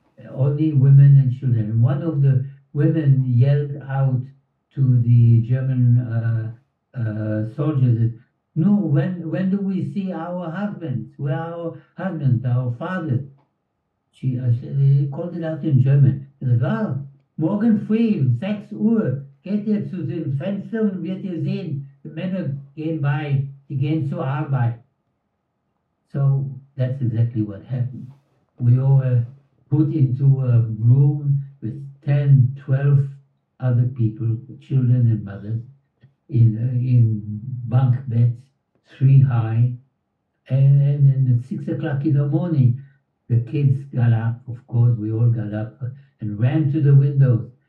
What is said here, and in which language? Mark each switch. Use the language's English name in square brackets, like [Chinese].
[English] Only women and children. And one of the women yelled out to the German soldiers, "No, when do we see our husbands? Where are our husbands, our fathers?" She called it out in German. She said, "Well, [German] morgen früh, 6 Uhr, geht ihr zu den Fenstern und wird ihr sehen, the Männer gehen by, die gehen zur Arbeit." [English] So that's exactly what happened. We all were put into a room with 10, 12 other people, children and mothers, in bunk beds, three high. And at 6 o'clock in the morning, the kids got up, of course, we all got up and ran to the windows.